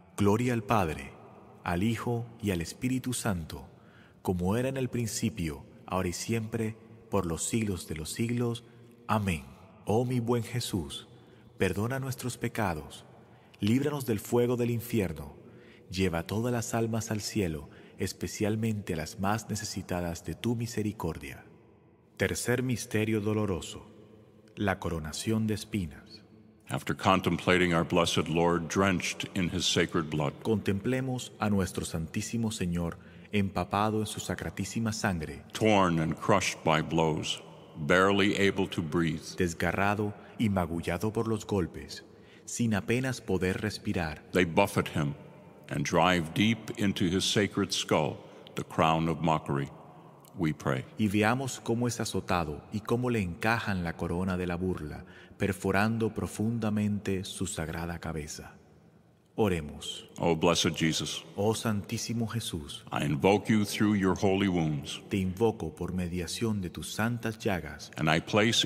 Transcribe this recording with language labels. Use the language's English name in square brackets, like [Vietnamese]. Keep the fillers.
[Spanish] Gloria al Padre, al Hijo y al Espíritu Santo, como era en el principio, ahora y siempre, por los siglos de los siglos. Amén. Oh mi buen Jesús, perdona nuestros pecados, líbranos del fuego del infierno, lleva todas las almas al cielo, especialmente a las más necesitadas de tu misericordia. Tercer misterio doloroso: la coronación de espinas. [English] After contemplating our blessed Lord drenched in his sacred blood. [Spanish] Contemplemos a nuestro santísimo Señor empapado en su sacratísima sangre. [English] Torn and crushed by blows, barely able to breathe. [Spanish] Desgarrado y magullado por los golpes, sin apenas poder respirar. [English] They buffet him and drive deep into his sacred skull the crown of mockery. We pray. [Spanish] Y veamos cómo es azotado y cómo le encajan la corona de la burla, perforando profundamente su sagrada cabeza. Oremos. [English] Oh, blessed Jesus, [Spanish] oh Santísimo Jesús, [English] I invoke you through your holy wounds, [Spanish] te invoco por mediación de tus santas llagas [English] and I place